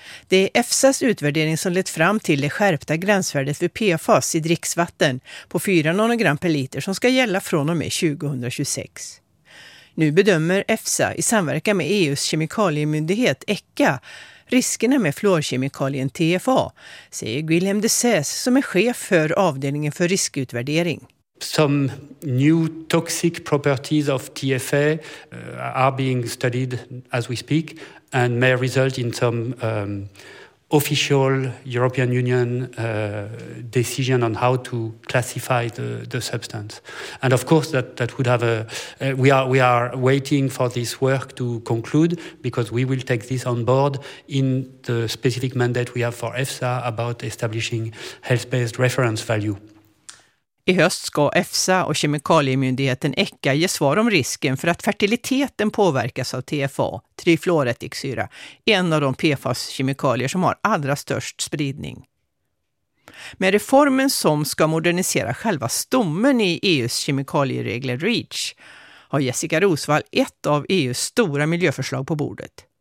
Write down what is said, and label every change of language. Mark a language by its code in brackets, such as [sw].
[sv] Det är EFSAs utvärdering som lett fram till det skärpta gränsvärdet för PFAS i dricksvatten på 4 nanogram per liter som ska gälla från och med 2026. Nu bedömer EFSA i samverkan med EU:s kemikaliemyndighet ECHA riskerna med fluorkemikalien TFA, säger Guillaume Desses som är chef för avdelningen för riskutvärdering. [en] Some new toxic properties of TFA are being studied as we speak and may result in some official European Union decision on how to classify the substance. And of course, that would have a... We are waiting for this work to conclude, because we will take this on board in the specific mandate we have for EFSA about establishing health-based reference value. [sv] I höst ska EFSA och kemikaliemyndigheten ECHA ge svar om risken för att fertiliteten påverkas av TFA, trifluoretiksyra, en av de PFAS-kemikalier som har allra störst spridning. Med reformen som ska modernisera själva stommen i EUs kemikalieregler REACH har Jessica Rosvall ett av EUs stora miljöförslag på bordet.